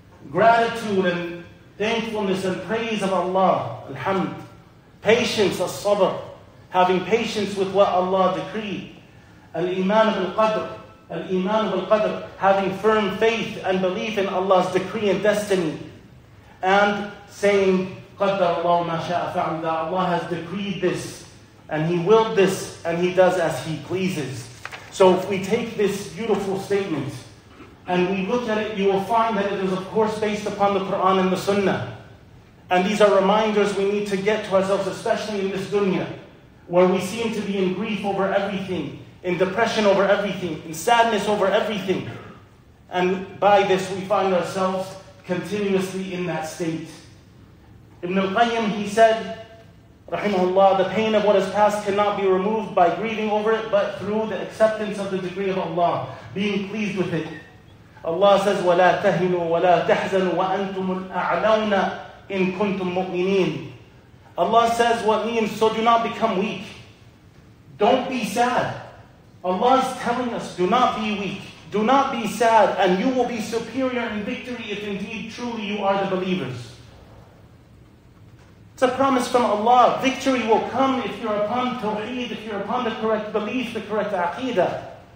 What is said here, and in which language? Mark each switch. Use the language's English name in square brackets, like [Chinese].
[English] Gratitude and thankfulness and praise of Allah, alhamd. Patience, as-sabr. Having patience with what Allah decreed. Al-Iman bil-Qadr. Al-Iman bil-Qadr. Having firm faith and belief in Allah's decree and destiny. And saying, [Arabic] قَدَّرَ اللَّهُ مَا شَاءَ فَعَلَ. [English] That Allah has decreed this. And He willed this. And He does as He pleases. So if we take this beautiful statement, and we look at it, you will find that it is of course based upon the Quran and the Sunnah. And these are reminders we need to get to ourselves, especially in this dunya, where we seem to be in grief over everything, in depression over everything, in sadness over everything. And by this we find ourselves continuously in that state. Ibn al-Qayyim, he said, rahimahullah, the pain of what has passed cannot be removed by grieving over it, but through the acceptance of the decree of Allah, being pleased with it. Allah says, [Arabic] وَلَا تَهِنُوا وَلَا تَحْزَنُوا وَأَنْتُمُ الْأَعْلَوْنَ إِن كُنْتُم مُؤْمِنِينَ. [English] Allah says, what means, so do not become weak. Don't be sad. Allah is telling us, do not be weak. Do not be sad, and you will be superior in victory if indeed truly you are the believers. It's a promise from Allah. Victory will come if you're upon tawheed, if you're upon the correct belief, the correct aqeedah.